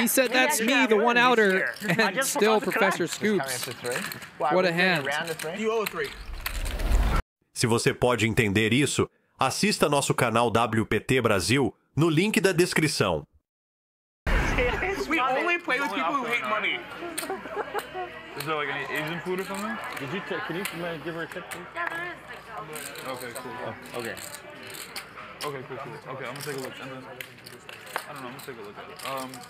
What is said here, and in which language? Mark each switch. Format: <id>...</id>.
<en>He said, that's me, the one outer, and still Professor Scoops. What a hand. You owe a three.</en> <pt>Se você pode entender isso, assista nosso canal WPT Brasil no link da descrição.</pt> <en>Money. Is there like any Asian food or something? Did you can you give her a tip, please? Yeah, there is. Okay, cool. Okay, cool. Okay, I'm gonna take a look. And then, I don't know, I'm gonna take a look at it.</en>